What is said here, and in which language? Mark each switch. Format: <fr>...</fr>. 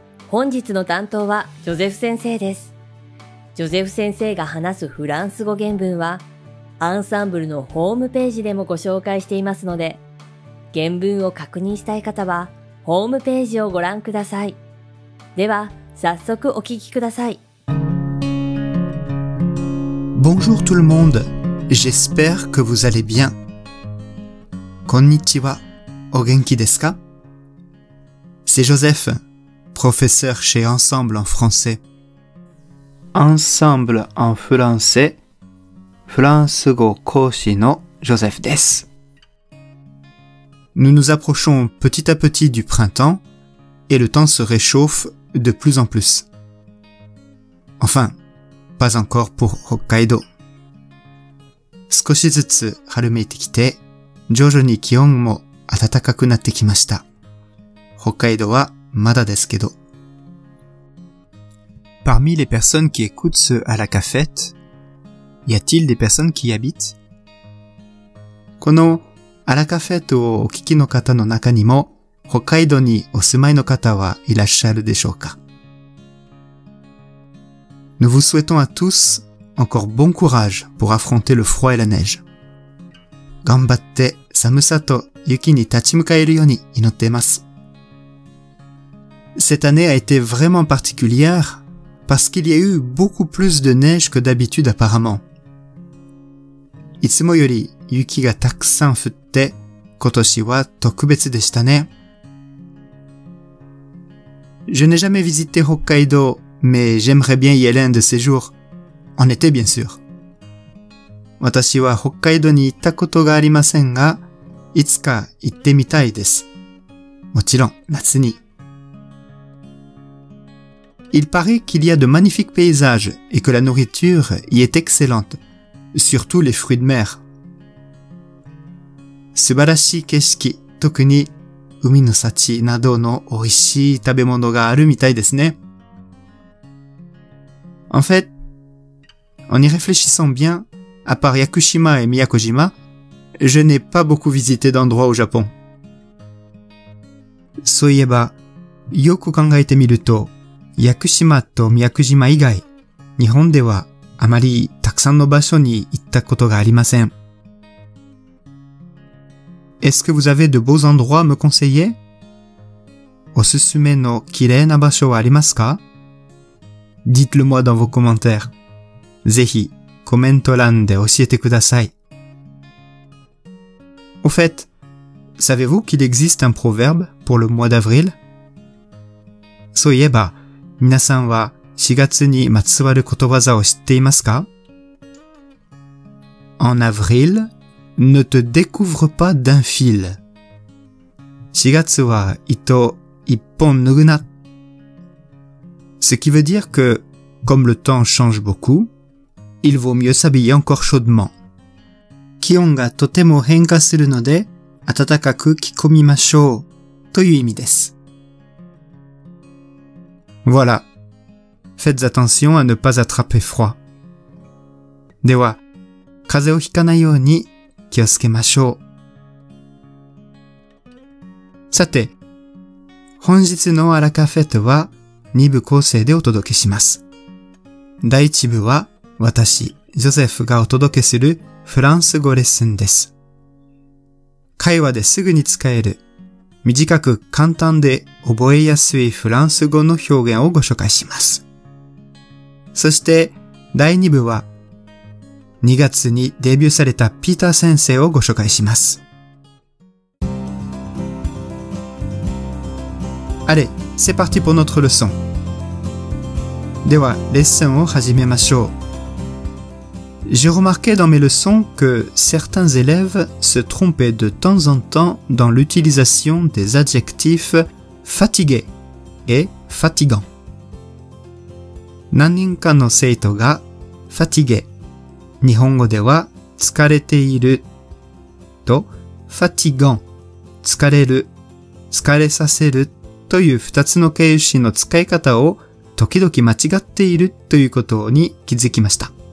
<ja>本日の担当はジョゼフ先生です。ジョゼフ先生が話すフランス語原文はアンサンブルのホームページでもご紹介していますので、原文を確認したい方はホームページをご覧ください。では早速お聞きください。</ja> <fr>Bonjour tout le monde, j'espère que vous allez bien.</fr> <ja>Konnichiwa, ogenki desu ka?</ja> <fr>C'est Joseph, professeur chez Ensemble en français.</fr> <ja>Ensemble en français, Fransugo koshi no Joseph desu.</ja> <fr>Nous nous approchons petit à petit du printemps et le temps se réchauffe de plus en plus. Enfin, pas encore pour Hokkaido.</fr> <ja>少しずつ春めいてきて、徐々に気温も暖かくなってきました。北海道はまだですけど。</ja> <fr>Parmi les personnes qui écoutent ce à la cafette, y a-t-il des personnes qui y habitent?</fr> <ja>このあらカフェットをお聞きの方の中にも、北海道にお住まいの方はいらっしゃるでしょうか?</ja> <fr>Nous vous souhaitons à tous... Encore bon courage pour affronter le froid et la neige.</fr> <ja>頑張って寒さと雪に立ち向かえるように祈っています。</ja> <fr>Cette année a été vraiment particulière parce qu'il y a eu beaucoup plus de neige que d'habitude apparemment.</fr> <ja>いつもより雪がたくさん降って、今年は特別でしたね。</ja> <fr>Je n'ai jamais visité Hokkaido, mais j'aimerais bien y aller un de ces jours. En été, bien sûr.</fr> <ja>私は北海道に行ったことがありませんが、いつか行ってみたいです。もちろん、夏に。</ja> <fr>Il paraît qu'il y a de magnifiques paysages et que la nourriture y est excellente, surtout les fruits de mer.</fr> <ja>素晴らしい景色、特に海の幸などの美味しい食べ物があるみたいですね。</ja> <fr>En fait,En y réfléchissant bien, à part Yakushima et Miyakojima, je n'ai pas beaucoup visité d'endroits au Japon.</fr> <ja>そういえば、よく考えてみると、屋久島と宮古島以外、日本ではあまりたくさんの場所に行ったことがありません。</ja> <fr>Est-ce que vous avez de beaux endroits à me conseiller?</fr> <ja>おすすめの綺麗な場所はありますか?</ja> <fr>Dites-le moi dans vos commentaires.</fr> <ja>ぜひ、コメント欄で教えてください。</ja> <fr>Au fait, savez-vous qu'il existe un proverbe pour le mois d'avril?</fr> <ja>そういえば、皆さんは4月にまつわることわざを知っていますか?</ja> <fr>En avril, ne te découvre pas d'un fil.</fr> <ja>4月は糸一本脱ぐな。</ja> <fr>Ce qui veut dire que, comme le temps change beaucoup,Il vaut mieux s'habiller encore chaudement.</fr> <ja>気温がとても変化するので、暖かく着込みましょうという意味です。</ja> <fr>Voilà. Faites attention à ne pas attraper froid.</fr> <ja>では、風邪をひかないように気をつけましょう。さて、本日のアラカフェットは2部構成でお届けします。第1部は、私、ジョゼフがお届けするフランス語レッスンです。会話ですぐに使える、短く簡単で覚えやすいフランス語の表現をご紹介します。そして、第2部は、2月にデビューされたピーター先生をご紹介します。</ja> <fr>Allez, c'est parti pour notre leçon.</fr> <ja>では、レッスンを始めましょう。 J'ai remarqué dans mes leçons que certains élèves se trompaient de temps en temps dans l'utilisation des adjectifs fatigué et fatigant. 何人かの生徒が fatigué 日本語では疲れているとfatigant 疲れる疲れさせるという二つの形容詞の使い方を時々間違っているということに気づきました。</ja>